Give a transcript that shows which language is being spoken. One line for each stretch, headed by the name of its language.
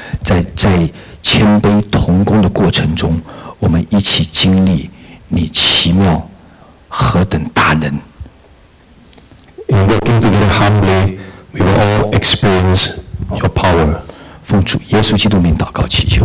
Chinese: 在谦卑同工的过程中，我们一起经历你奇妙。何等大能！
English: In working together humbly, we will all experience your power.
Chinese: 奉主耶稣基督名祷告祈求。